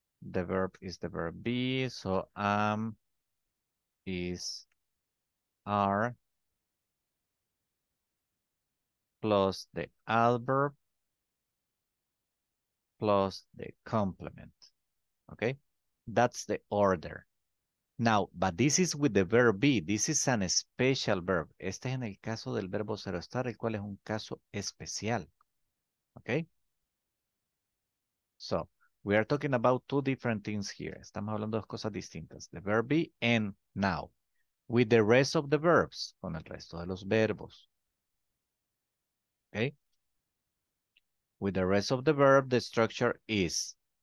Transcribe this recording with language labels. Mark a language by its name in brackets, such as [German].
[English] The verb is the verb be, so am, is, are, plus the adverb, plus the complement, okay? That's the order. Now, but this is with the verb be. This is an special verb. [Spanish] Este es en el caso del verbo ser estar, el cual es un caso especial, okay? [English] So, we are talking about two different things here. [Spanish] Estamos hablando de dos cosas distintas. [English] The verb be and now. With the rest of the verbs, [Spanish] con el resto de los verbos. [English] Okay? With the rest of the verb, the structure is.